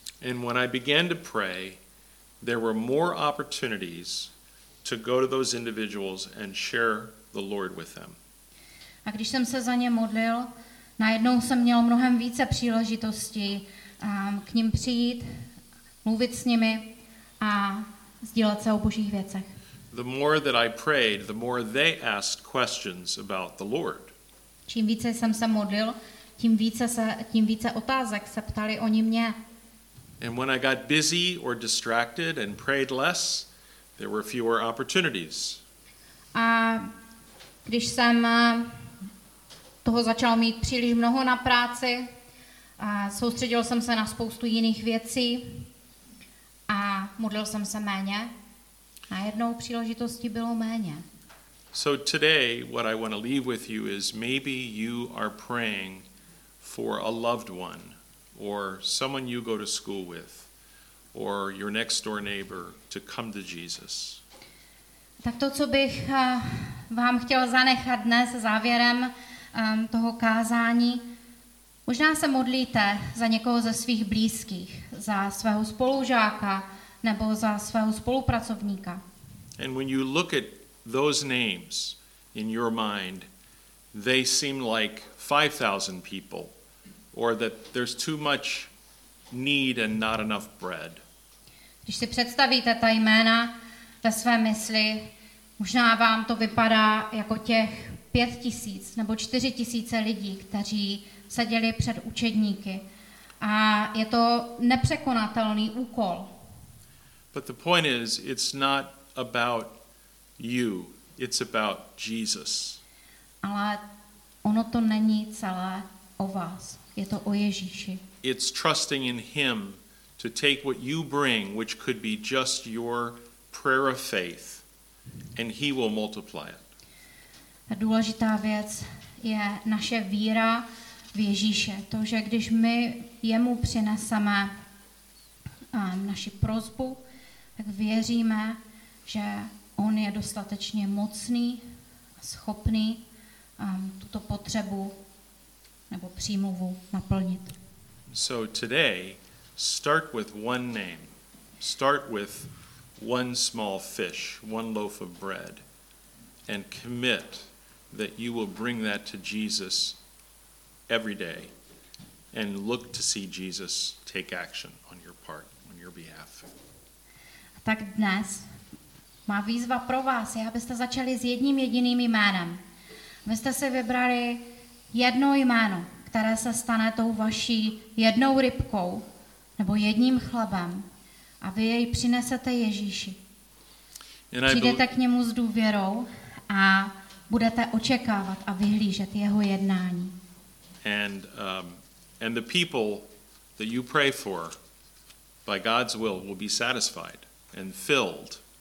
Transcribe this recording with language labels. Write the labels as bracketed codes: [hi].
[en] And when I began to pray, there were more opportunities to go to those individuals and share the Lord with them. [cs] A když jsem se za ně modlil, najednou jsem měl mnohem více příležitostí k ním přijít, mluvit s nimi a sdílet se o Božích věcech. [en] The more that I prayed, the more they asked questions about the Lord. [cs] Čím více jsem se modlil, tím více otázek se ptali oni mě. [en] And when I got busy or distracted and prayed less, there were fewer opportunities. [cs] A když jsem toho začal mít příliš mnoho na práci, a soustředil jsem se na spoustu jiných věcí a modlil jsem se méně, a jednou příležitosti bylo méně. [en] So today what I want to leave with you is maybe you are praying for a loved one or someone you go to school with or your next door neighbor to come to Jesus. [cs] Tak to, co bych vám chtěl zanechat dnes závěrem toho kázání, možná se modlíte za někoho ze svých blízkých, za svého spolužáka nebo za svého spolupracovníka. [en] And when you look at those names in your mind, they seem like 5,000 people, or that there's too much need and not enough bread. [cs] Když si představíte ta jména ve své mysli, možná vám to vypadá jako těch 5,000 nebo 4,000 lidí, kteří seděli před učedníky. A je to nepřekonatelný úkol. [en] But the point is, it's not about you, it's about Jesus. [cs] Ale ono to není celé o vás, je to o Ježíši. [en] It's trusting in him to take what you bring, which could be just your prayer of faith, and he will multiply it. [cs] A důležitá věc je naše víra v Ježíše, to, že když my jemu přineseme naši prosbu, tak věříme, že on je dostatečně mocný a schopný tuto potřebu nebo přímluvu naplnit. [en] So today, start with one name. Start with one small fish, one loaf of bread, and commit that you will bring that to Jesus every day and look to see Jesus take action on your part, on your behalf. [cs] Tak dnes má výzva pro vás je, abyste začali s jedním jediným jménem. Abyste si vybrali jedno jméno, které se stane tou vaší jednou rybkou nebo jedním chlebem a vy jej přinesete Ježíši. Přijdete k němu s důvěrou a budete očekávat a vyhlížet jeho jednání. [en] And the people that you pray for by God's will be satisfied and filled.